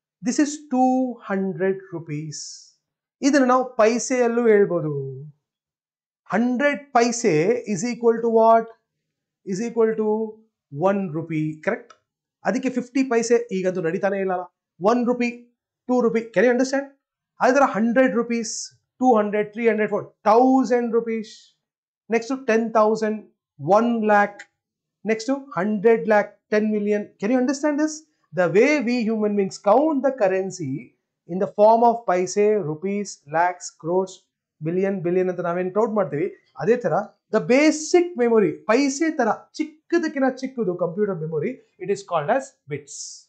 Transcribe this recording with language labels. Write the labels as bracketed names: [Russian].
[English] This is 200 rupees. [Kannada] ಇದನ್ನು ನಾವು ಪೈಸೆಯಲ್ಲೂ ಹೇಳ್ಬೋದು. [English] 100 paise is equal to what? Is equal to 1 rupee. Correct. [Kannada] ಅದಕ್ಕೆ 50 paise ಈಗಂತೂ ನಡೀತಾನೆ ಇಲ್ಲಲ್ಲ. 1 rupee, 2 rupee, [English] Can you understand? ಆದ್ರೆ 100 rupees, 200, 300, 400, 1000 rupees, next 10,000, 1 lakh, next 100 lakh, 10 million. Can you understand this? The way we human beings count the currency in the form of paise, rupees, lakhs, crores, billion, billion [Kannada] ಅಂತ ನಾವೇನು count ಮಾಡ್ತೀವಿ, [English] ಅದೇ ತರ the basic memory [Kannada] ಪೈಸೆ ತರ ಚಿಕ್ಕದಕ್ಕಿಂತ ಚಿಕ್ಕದು [English] Computer memory, it is called as bits.